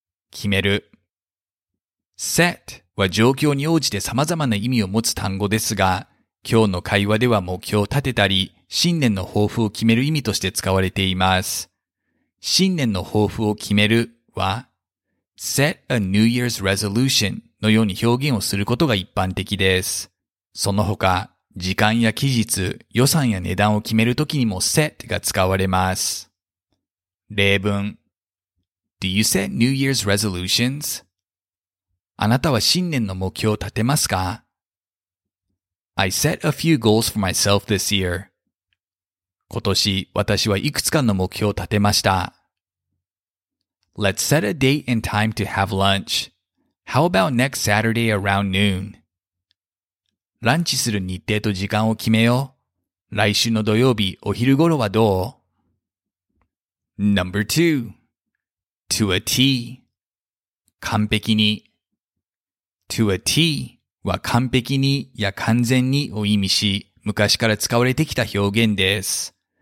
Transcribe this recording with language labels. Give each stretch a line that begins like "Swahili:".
Japanese: 決める Set は状況に応じて様々な意味を持つ単語ですが、今日の会話では目標を立てたり、新年の抱負を決める意味として使われています。新年の抱負を決めるは、
English: set a New Year's resolution
Japanese: のように表現をすることが一般的です。その他、時間や期日、予算や値段を決めるときにも set が使われます。例文
English: Do you set New Year's resolutions?
Japanese: あなたは新年の目標を立てますか？
English: I set a few goals for myself this year.
Japanese: 今年、私はいくつかの目標を立てました。
English: Let's set a date and time to have lunch. How about next Saturday around noon?
Japanese: ランチする日程と時間を決めよう。来週の土曜日、お昼頃はどう？
English: Number 2. To a T.
Japanese: 完璧に。To a T. は完璧にや完全にを意味し、昔から使われてきた表現です。